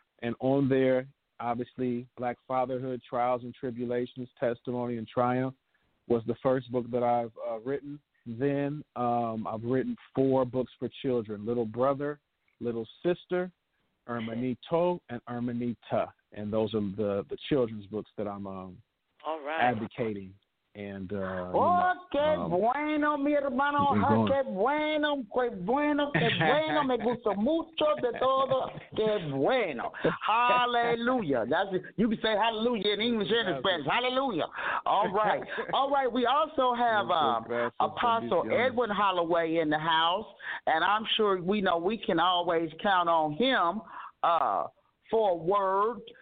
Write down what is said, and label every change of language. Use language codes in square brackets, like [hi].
[en] And on there, obviously, Black Fatherhood, Trials and Tribulations, Testimony and Triumph was the first book that I've written. Then I've written four books for children, Little Brother, Little Sister, Hermanito, and Hermanita. And those are the children's books that I'm advocating. And [es] bueno, mi hermano, que bueno, que bueno, que bueno, me gusta mucho de todo, que bueno, hallelujah. [en] That's, you can say hallelujah in English and in Spanish, hallelujah. All right, we also have Apostle Edwin Holloway in the house, and I'm sure we know we can always count on him for a word.